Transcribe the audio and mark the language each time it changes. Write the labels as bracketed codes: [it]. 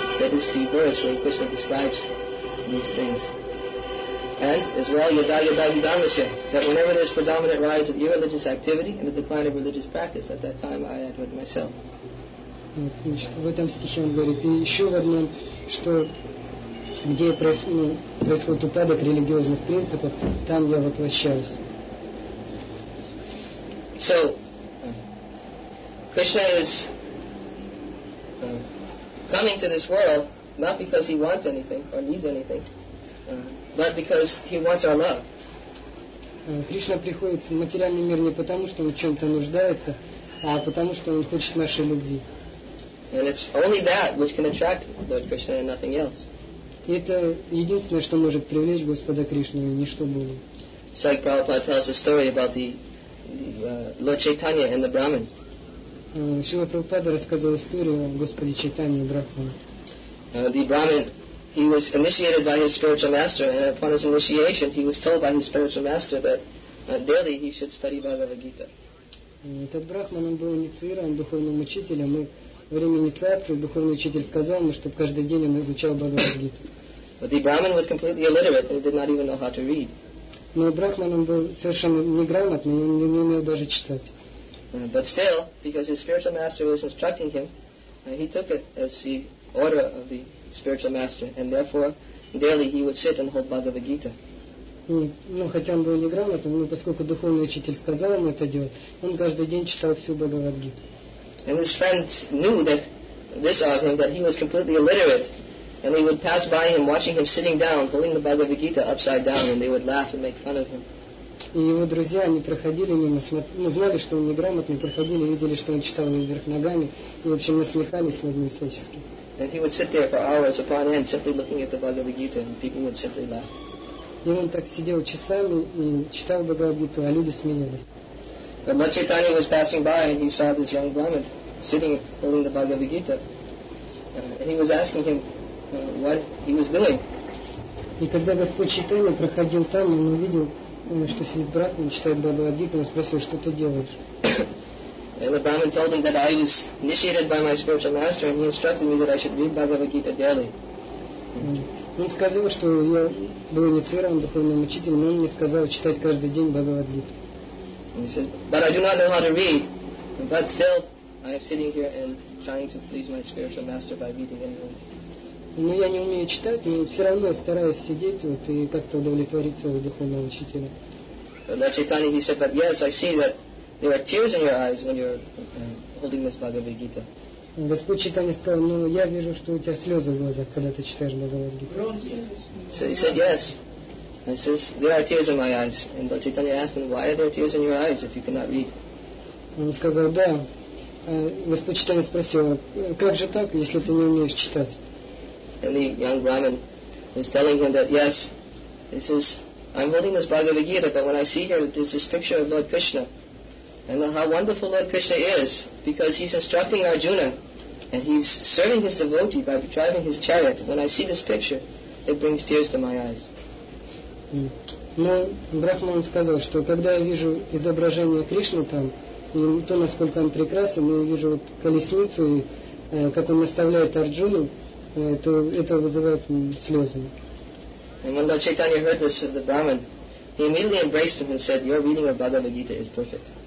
[en] That is the verse where Krishna describes these things. And as well, [sa] yada yada yudamasya, [en] that whenever there's predominant rise of irreligious activity and the decline of religious practice, at that time I advert myself. [ru] Значит, в этом стихе он говорит, и еще в одном, что где происходит упадок религиозных принципов, там я воплощаюсь. [en] So, Krishna is coming to this world not because he wants anything or needs anything, but because he wants our love. [ru] Кришна приходит в материальный мир не потому, что он в чем-то нуждается, а потому, что он хочет нашей любви. [en] And it's only that which can attract Lord Krishna and nothing else. [ru] И это единственное, что может привлечь Господа Кришну, и ничто более. [en] It's like Prabhupada tells a story about the Lord Chaitanya and the Brahmin. [ru] Шрила Прабхупада рассказывал историю о Господе Чайтанье и Брахмане. [en] The Brahmin, he was initiated by his spiritual master, and upon his initiation, he was told by his spiritual master that daily he should study Bhagavad Gita. [ru] Этот Брахман, он был инициирован духовным учителем, и время инициации духовный учитель сказал ему, чтобы каждый день он изучал Бхагавад-гиту. [en] But the Brahmin was completely illiterate and did not even know how to read. [ru] Но Брахман был совершенно неграмотный, он не умел даже читать. [en] But still, because his spiritual master was instructing him, he took it as the order of the spiritual master, and therefore, daily he would sit and hold Bhagavad Gita. [ru] Ну, хотя он был неграмотным, но поскольку духовный учитель сказал ему это делать, он каждый день читал всю Бхагавад Гиту. [en] And his friends knew that this of him, that he was completely illiterate, and they would pass by him, watching him sitting down, holding the Bhagavad Gita upside down, and they would laugh and make fun of him. [ru] И его друзья, они проходили мимо, ну, знали, что он неграмотный, проходили, видели, что он читал вверх ногами, и, в общем, насмехались над ним всячески. [en] And he would sit there for hours upon end, simply looking at the Bhagavad Gita, and people would simply laugh. [ru] И он так сидел часами и читал Бхагавад Гиту, а люди смеялись. [en] But Lord Chaitanya was passing by, and he saw this young Brahmin sitting, holding the Bhagavad Gita, and he was asking him what he was doing. [ru] И когда Господь Чайтанья проходил там, он увидел, что сидит Брахман, читает Бхагавад Гиту, он спросил, что ты делаешь. [en] And the Brahmin told him that I was initiated by my spiritual master, and he instructed me that I should read Bhagavad Gita daily. [ru] Он сказал, что я был инициирован духовным учителем, но он мне сказал читать каждый день Бхагавад Гиту. [en] He said, but I do not know how to read, but still I am sitting here and trying to please my spiritual master by reading anyway. [ru] Но я не умею читать, но все равно я стараюсь сидеть вот, и как-то удовлетворить своего духовного учителя. [en] Lord Chaitanya, he said, but yes, I see that there are tears in your eyes when you're holding this Bhagavad Gita. [ru] Господь Чайтанья сказал, ну я вижу, что у тебя слезы в глазах, когда ты читаешь Бхагавад Гиту. [en] So he said, yes. He says, there are tears in my eyes. And Lord Chaitanya asked him, why are there tears in your eyes if you cannot read? [ru] Он сказал, да. Господь Чайтанья спросил, как же так, если ты не умеешь читать? [en] And the young Brahmin was telling him that, yes, this is, I'm holding this Bhagavad Gita, but when I see here, there's this picture of Lord Krishna. And how wonderful Lord Krishna is, because he's instructing Arjuna, and he's serving his devotee by driving his chariot. When I see this picture, it brings tears to my eyes. [ru] Но Брахман сказал, что когда я вижу изображение Кришны там, и то, насколько он прекрасен, я вижу вот колесницу, и как он наставляет Арджуну, это вызывает слезы. [en] And when Lord Chaitanya heard this of the Brahmin, he immediately embraced him and said, your reading of Bhagavad Gita is perfect.